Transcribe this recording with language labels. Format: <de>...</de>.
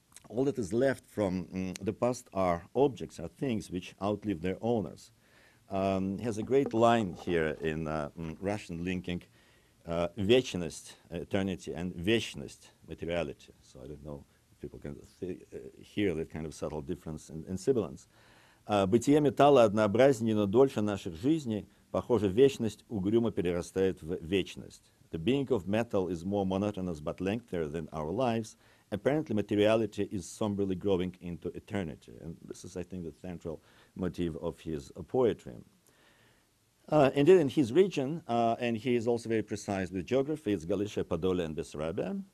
<en>All that is left from the past are objects, are things which outlive their owners. has a great line here in Russian linking вечность, eternity, and вечность, materiality. So I don't know if people can hear that kind of subtle difference in sibilance.</en> <ru>Бытие металла однообразнее, но дольше наших жизней, похоже, вечность угрюмо перерастает в вечность.</ru> <en>The being of metal is more monotonous but lengthier than our lives. Apparently, materiality is somberly growing into eternity. And this is, I think, the central motif of his poetry. Indeed, in his region, and he is also very precise with geography, it's Galicia, Podolia, and Bessarabia.</en>